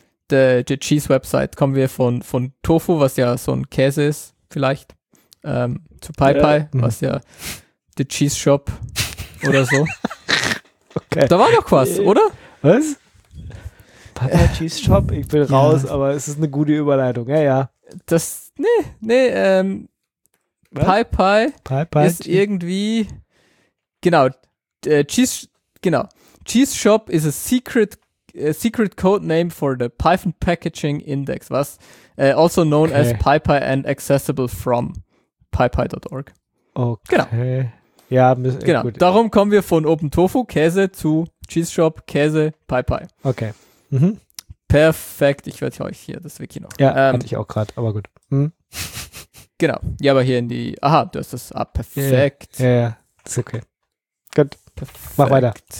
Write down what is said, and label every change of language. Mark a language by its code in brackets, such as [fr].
[de] Die Cheese-Website, kommen wir von Tofu, was ja so ein Käse ist, vielleicht, zu PyPy, was ja The Cheese Shop oder so. Okay. Da war noch was, oder? Was? PyPy Cheese Shop? Ich bin raus, aber es ist eine gute Überleitung, ja. Das, PyPy ist irgendwie, genau, [en] Cheese Shop is a secret code name for the Python packaging index, was also known as PyPy and accessible from PyPy.org. [de] Okay. Genau. Ja, genau. Gut. Darum kommen wir von Open Tofu Käse zu Cheese Shop Käse PyPy. Okay. Mhm. Perfekt. Ich werde euch hier das Wiki noch. Ja, hatte ich auch gerade, aber gut. Hm? Genau. Ja, aber hier in die. Aha, du hast das. Ah, perfekt. Ja. Ist okay. Gut. Perfekt. Mach weiter.